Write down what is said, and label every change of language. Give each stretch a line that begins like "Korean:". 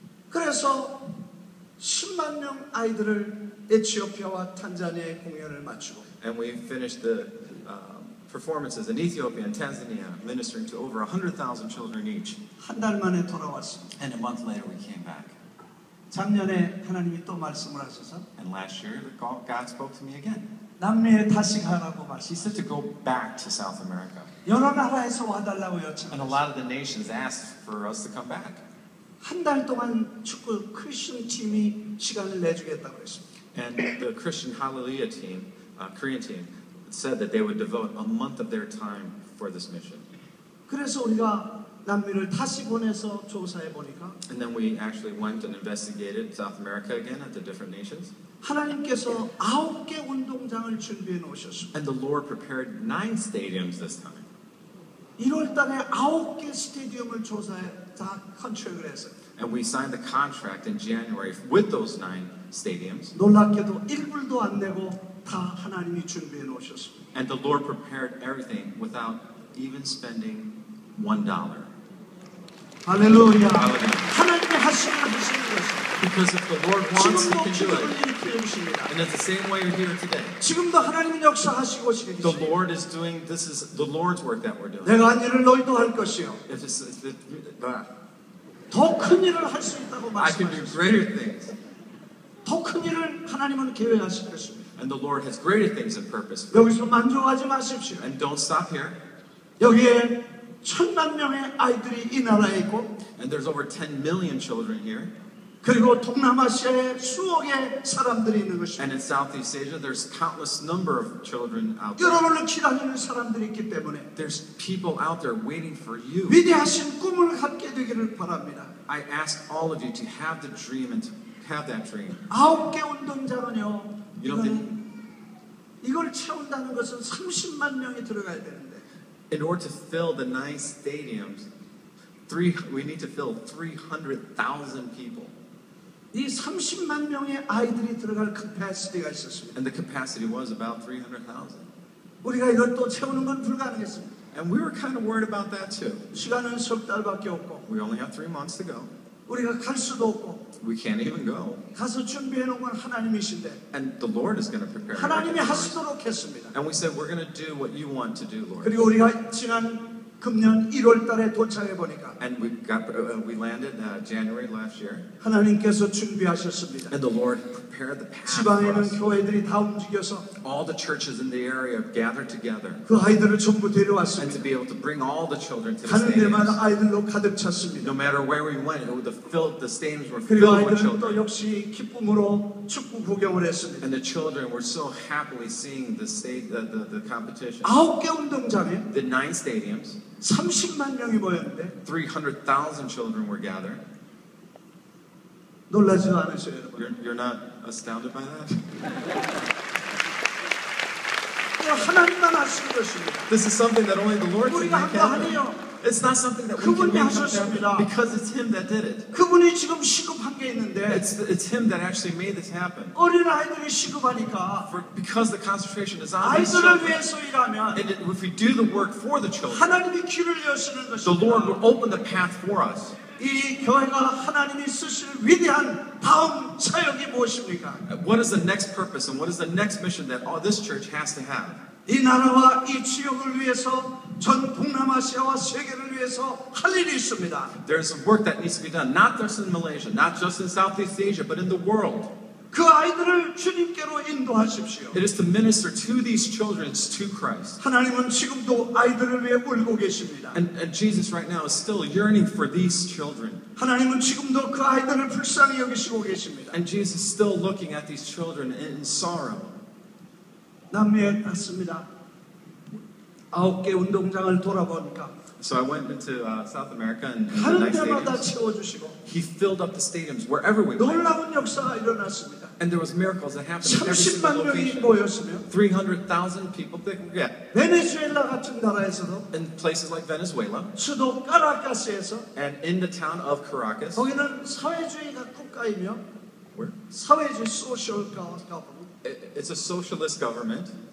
Korean: 그래서 10만 명 아이들을 에티오피아와 탄자니아에 공연을 마치고.
English: And we finished the performances in Ethiopia and Tanzania, ministering to over 100,000 children each.
Korean: 한 달 만에 돌아왔습니다.
English: And a month later, we came back.
Korean: 작년에 하나님이 또 말씀을 하셔서.
English: And last year, God spoke to me again.
Korean: 남미에 다시 가라고 말씀.
English: He said to go back to South America.
Korean: 여러 나라에서 와달라고 요청.
English: And a lot of the nations asked for us to come back.
Korean: 한 달 동안 축구 크리스천 팀이 시간을 내주겠다고 했습니다.
English: And the Christian Hallelujah team, Korean team, said that they would devote a month of their time for this mission.
Korean: 그래서 우리가 남미를 다시 보내서 조사해 보니까.
English: And then we actually went and investigated South America again at the different nations.
Korean: 하나님께서 아홉 개 운동장을 준비해 놓으셨습니다.
English: And the Lord prepared 9 stadiums this time.
Korean: 1월 달에 아홉 개 스타디움을 조사해 다 컨트랙을 해서.
English: And we signed the contract in January with those 9 stadiums.
Korean: 놀랍게도 1불도 안 내고 다 하나님이 준비해 놓으셨습니다.
English: And the Lord prepared everything without even spending $1.
Korean: Hallelujah. Hallelujah. 하나님이 하시는 것이
English: Because if the Lord wants, He can do it. And it's the same way you're here today.
Korean: 지금도 하나님은 역사하시고 계십니다.
English: The Lord is doing. This is the Lord's work that we're doing.
Korean: 내가 한 일을 너희도 할 것이요.
English: If it's the,
Korean: 더 큰 일을 할 수 있다고 말씀하십니다.
English: I can do greater things.
Korean: 더 큰 일을 하나님은 계획하실 것입니다.
English: And the Lord has greater things in purpose.
Korean: 여기서 만족하지 마십시오.
English: And don't stop here.
Korean: 여기에 천만 명의 아이들이 이 나라에 있고.
English: And there's over 10 million children here.
Korean: 그리고 동남아시아에 수억의 사람들이 있는 것입니다.
English: And in Southeast Asia, there's countless number of children out there.
Korean: 여러분을 기다리는 사람들이 있기 때문에.
English: There's people out there waiting for you.
Korean: 위대하신 꿈을 갖게 되기를 바랍니다.
English: I ask all of you to have the dream and to have that dream.
Korean: 아홉 개 운동장은요. 이걸 채운다는 것은 30만 명이 들어가야 되는데.
English: In order to fill the 9 stadiums, we need to fill 300,000 people.
Korean: 이 30만 명의 아이들이 들어갈 capacity가 있었습니다.
English: And the capacity was about 300,000.
Korean: 우리가 이걸 또 채우는 건 불가능했습니다.
English: And we were kind of worried about that too.
Korean: 시간은 석 달밖에 없고.
English: We only have 3 months to go.
Korean: 우리가 갈 수도 없고.
English: We can't even go.
Korean: 가서 준비해 놓은 건 하나님이신데.
English: And the Lord is going to prepare.
Korean: 하나님이 하시도록 했습니다.
English: And we said we're going to do what you want to do, Lord.
Korean: 그리고 우리가 지난 금년 1월 달에 도착해 보니까
English: And we landed January last year.
Korean: 하나님께서 준비하셨습니다.
English: And the Lord prepared the path.
Korean: 지방에는 교회들이 다 움직여서
English: All the churches in the area gathered together.
Korean: 그 아이들을 전부 데려왔습니다.
English: And to be able to bring all the children to the
Korean: 가는 데마다 아이들로 가득 찼습니다.
English: No matter where we went, the stadiums were filled with children.
Korean: 그리고 아이들은 또 역시 기쁨으로 축구 구경을 했습니다.
English: And the children were so happily seeing the competition.
Korean: 아홉 개 운동장에
English: The 9 stadiums.
Korean: 30만 명이 모였는데
English: 300,000 children were gathered.
Korean: 놀라지 않으세요, 여러분?
English: You're not astounded by that?
Korean: 하나님만 아시는 것입니다.
English: This is something that only the Lord can make happen. It's not something that we can make happen because it's Him that did it.
Korean: 그분이 지금 시급한 게 있는데.
English: It's Him that actually made this happen.
Korean: 어린 아이들이 시급하니까.
English: Because the concentration is on.
Korean: 아이들을 위해서 일하면.
English: And if we do the work for the children.
Korean: 하나님이 길을 여시는 것입니다.
English: The Lord will open the path for us.
Korean: 이 교회가 하나님이 쓰실 위대한 다음 사역이 무엇입니까?
English: What is the next purpose and what is the next mission that all this church has to have?
Korean: 이 나라와 이 지역을 위해서 전 동남아시아와 세계를 위해서 할 일이 있습니다.
English: There's work that needs to be done, not just in Malaysia, not just in Southeast Asia, but in the world.
Korean: 그 아이들을 주님께로 인도하십시오.
English: It is to minister to these children to Christ.
Korean: 하나님은 지금도 아이들을 위해 울고 계십니다.
English: And Jesus right now is still yearning for these children.
Korean: 하나님은 지금도 그 아이들을 불쌍히 여기시고 계십니다.
English: And Jesus is still looking at these children in sorrow.
Korean: 남미에 갔습니다. 아홉 개 운동장을 돌아보니까.
English: So I went into South America and the nice stadiums. He filled up the stadiums wherever we went. 놀라운 역사가 일어났습니다. And there was miracles that happened in every single location. 300,000 people. Yeah.
Korean: 베네수엘라 같은 나라에서도.
English: In places like Venezuela.
Korean: 수도 카라카스에서.
English: And in the town of Caracas.
Korean: 거기는 사회주의가 국가이며.
English: Where?
Korean: 사회주의
English: social government. It's a socialist government.